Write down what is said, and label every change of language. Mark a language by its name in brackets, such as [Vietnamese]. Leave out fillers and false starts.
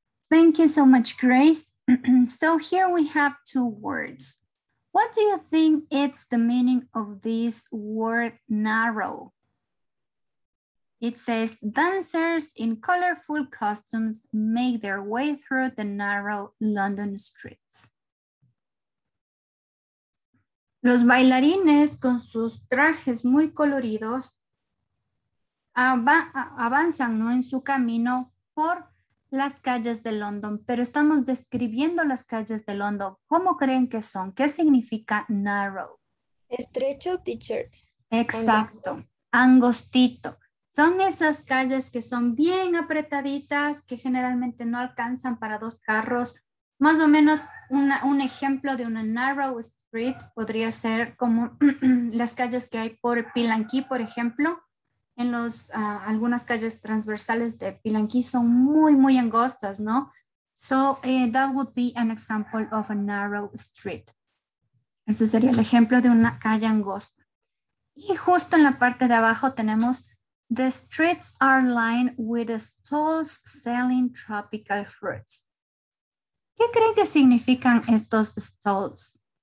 [English] Thank you so much, Grace. So here we have two words. What do you think it's the meaning of this word narrow? It says dancers in colorful costumes make their way through the narrow London streets. [Spanish] Los bailarines con sus trajes muy coloridos avanzan, ¿no?, en su camino por las calles de London, pero estamos describiendo las calles de London. ¿Cómo creen que son? ¿Qué significa narrow? Estrecho, teacher. Exacto, angostito. Son esas calles que son bien apretaditas, que generalmente no alcanzan para dos carros. Más o menos un ejemplo de una narrow street podría ser como las calles que hay por Pilanqui, por ejemplo. En los algunas calles transversales de Pilanqui son muy, muy angostas, ¿no? [English] So that would be an example of a narrow street. [Spanish] Ese sería el ejemplo de una calle angosta. Y justo en la parte de abajo tenemos [English] the streets are lined with stalls selling tropical fruits. [Spanish] ¿Qué creen que significan estos stalls?